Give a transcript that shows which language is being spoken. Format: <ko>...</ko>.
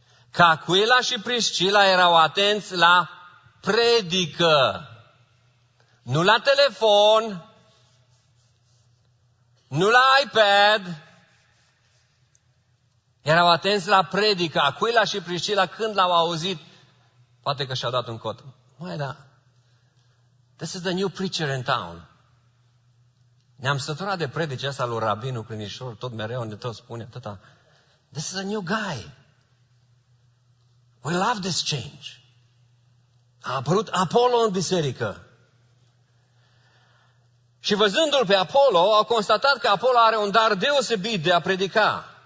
<ro>Că Aquila și Priscila erau atenți la predică. Nu la telefon, nu la iPad. Erau atenți la predică. Aquila și Priscila când l-au auzit, poate că și-au dat un cot. Măi, da,</ro> <en>this is the new preacher in town.</en> <ro>Ne-am săturat de predice asta lui Rabinul Crinișor, tot mereu ne tot spune, tata,</ro> <en>this is a new guy. We love this change.</en> <ro>A apărut Apollo în biserică. Și văzându-l pe Apollo, au constatat că Apollo are un dar deosebit de a predica.</ro>